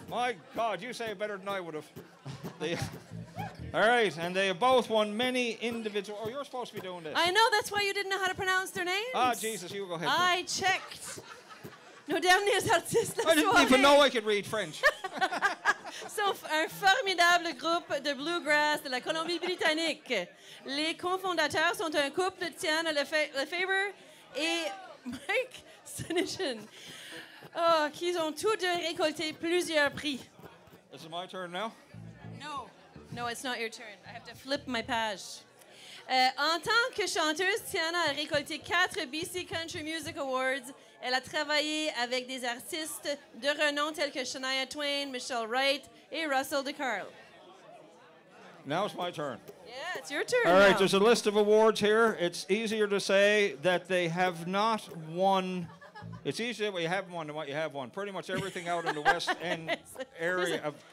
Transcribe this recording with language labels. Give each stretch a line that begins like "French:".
English: My God, you say it better than I would have. All right, and they have both won many individual... Oh, you're supposed to be doing this. I know, that's why you didn't know how to pronounce their names. Ah, Jesus, you go ahead. I checked... No, damn near that sister. I didn't even know I could read French.
French: So, un formidable groupe de bluegrass de la Colombie-Britannique. Les cofondateurs sont un couple, Tiana Lefebvre et Mike Sinichin. Oh, qu'ils ont tous deux récolté plusieurs prix.
English: Is it my turn now? No. No, it's not your turn. I have to flip my page.
French: En tant que chanteuse, Tiana a récolté 4 BC Country Music Awards. Elle a travaillé avec des artistes de renom tels que Shania Twain, Michelle Wright et Russell DeCarle.
English: Now it's my turn. Yeah, it's your turn. All right, now. There's a list of awards here. It's easier to say that they have not won. It's easier that you haven't won than what you have won. Pretty much everything out in the West End area.